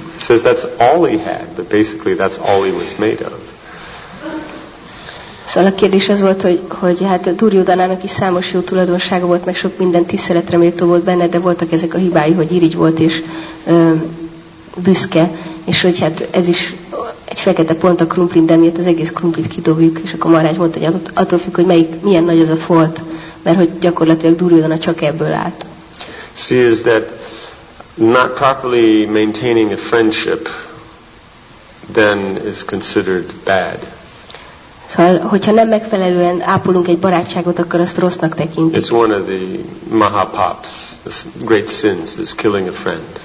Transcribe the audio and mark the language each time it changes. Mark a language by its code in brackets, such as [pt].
[en] He says that's all he had, but basically that's all he was made of. [hu] Szóval a kérdés az volt, hogy hát Duryodhanának is számos jó tulajdonsága volt, meg sok minden tiszteletre méltó volt benne, de voltak ezek a hibái, hogy irigy volt és büszke, és hogy hát ez is egy fekete pont a krumplin, de miatt az egész krumplit kidobjuk, és akkor Maharaj mondta, hogy attól függ, hogy melyik, milyen nagy az a folt, mert hogy gyakorlatilag Duryodhana csak ebből állt. [en] See, is that not properly maintaining a friendship then is considered bad. [hu] Szóval, hogyha nem megfelelően ápolunk egy barátságot, akkor azt rossznak tekintjük. [en] It's one of the mahapaps, the great sins, is killing a friend.